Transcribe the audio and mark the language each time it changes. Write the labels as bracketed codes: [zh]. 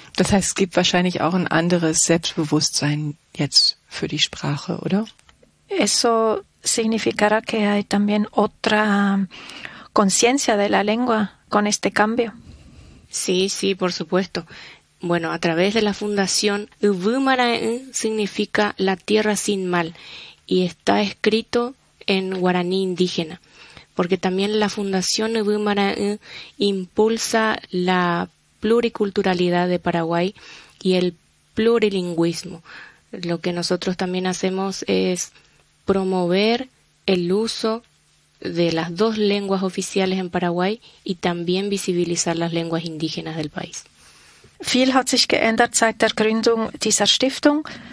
[de] Das heißt, es gibt wahrscheinlich auch ein anderes Selbstbewusstsein jetzt für die Sprache, oder? [es] Eso significará que hay también otra conciencia de la lengua con este cambio. Sí, sí, por supuesto. Bueno, a través de la fundación, Uvumara'en significa la tierra sin mal y está escrito en guaraní indígena, porque también la fundación Uvumara'en impulsa la pluriculturalidad de Paraguay y el plurilingüismo. Lo que nosotros también hacemos es promover el uso de las dos lenguas oficiales en Paraguay y también visibilizar las lenguas indígenas del país. [de] Viel hat sich geändert seit der Gründung dieser Stiftung.